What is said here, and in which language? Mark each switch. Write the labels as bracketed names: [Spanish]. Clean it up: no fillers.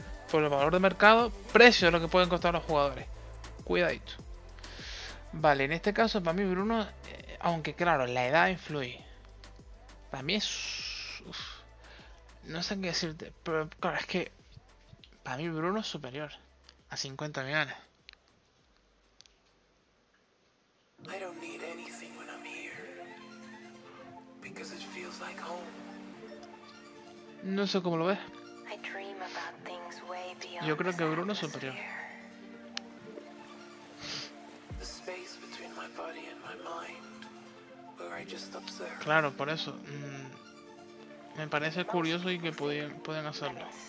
[Spanish] Por el valor de mercado, precio de lo que pueden costar los jugadores. Cuidadito. Vale, en este caso, para mí, Bruno, aunque claro, la edad influye. Para mí es... Uf. No sé qué decirte, pero claro, es que para mí Bruno es superior a 50 millones. [English] I don't need anything when I'm here, because it feels like home. [Spanish] No sé cómo lo ves. [English] I dream about things way beyond. [Spanish] Yo creo que Bruno es superior. [English] The space between my body and my mind, where I just observe. [Spanish] Claro, por eso. Me parece curioso y que pueden hacerlo.